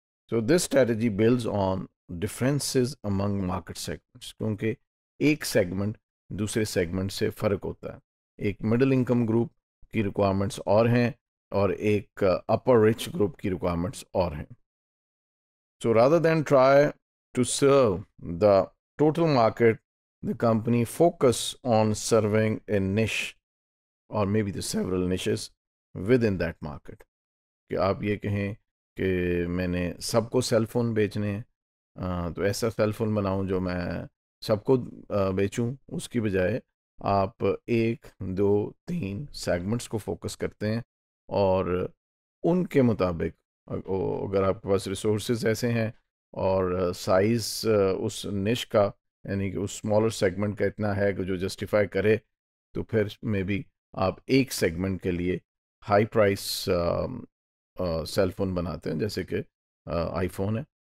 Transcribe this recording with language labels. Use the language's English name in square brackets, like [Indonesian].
[English] so this strategy builds on differences among market segments, [Urdu] کیونکہ ایک segment دوسرے segment سے فرق ہوتا ہے. ایک مڈل انکم گروپ کی ریکوائرمنٹس اور ہیں اور ایک اپر رچ گروپ کی ریکوائرمنٹس اور ہیں. [English] So rather than try to serve the total market, the company focus on serving a niche or may be the several niches within that market. [Urdu] کہ آپ یہ کہیں کہ میں نے سب کو سیل فون بیچنے ہیں, تو ایسا سیل فون بناؤں جو میں سب کو بیچوں, اس کی بجائے آپ ایک دو تین سیگمنٹس کو فوکس کرتے ہیں اور ان کے مطابق اگر آپ کے پاس ریسورسز ایسے ہیں اور سائز اس نش کا یعنی کہ اس اسمالر سیگمنٹ کا اتنا ہے کہ جو جسٹیفائی کرے, تو پھر مے بی آپ ایک سیگمنٹ کے لیے ہائی پرائس سیل فون بناتے ہیں جیسے کہ آئی فون ہے.